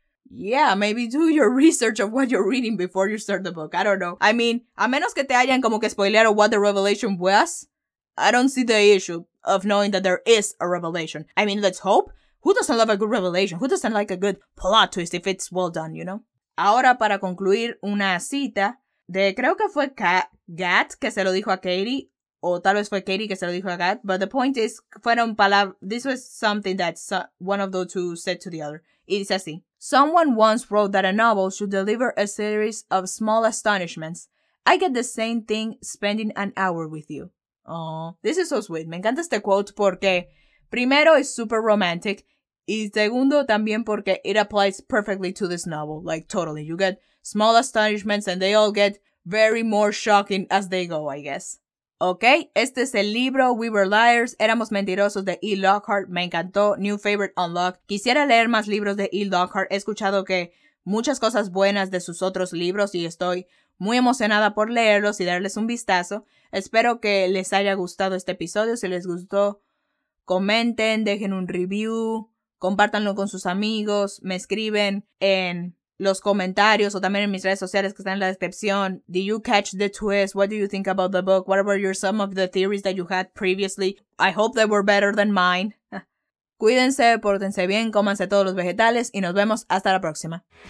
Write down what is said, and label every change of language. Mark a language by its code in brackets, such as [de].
[en] Yeah, maybe do your research of what you're reading before you start the book. I don't know. I mean, a menos que te hayan como que spoiler what the revelation was, I don't see the issue of knowing that there is a revelation. I mean, let's hope. Who doesn't love a good revelation? Who doesn't like a good plot twist if it's well done, you know? [es] Ahora, para concluir, una cita de, creo que fue Gat que se lo dijo a Katie, o tal vez fue Katie que se lo dijo a Gat, but the point is, fueron palabras, this was something that one of those two said to the other. [en] It is así. Someone once wrote that a novel should deliver a series of small astonishments. I get the same thing spending an hour with you. [es] Oh, this is so sweet. Me encanta este quote porque, primero, es super romantic. [en] Y segundo, también porque it applies perfectly to this novel. Like, totally. You get small astonishments and they all get very more shocking as they go, I guess. [es] Okay, este es el libro We Were Liars, Éramos Mentirosos de E. Lockhart. Me encantó. [en] New favorite unlocked. [es] Quisiera leer más libros de E. Lockhart. He escuchado que muchas cosas buenas de sus otros libros y estoy muy emocionada por leerlos y darles un vistazo. Espero que les haya gustado este episodio. Si les gustó, comenten, dejen un review. Compártanlo con sus amigos, me escriben en los comentarios o también en mis redes sociales que están en la descripción. [en] Did you catch the twist? What do you think about the book? What were some of the theories that you had previously? I hope they were better than mine. [es] Cuídense, pórtense bien, cómanse todos los vegetales y nos vemos hasta la próxima.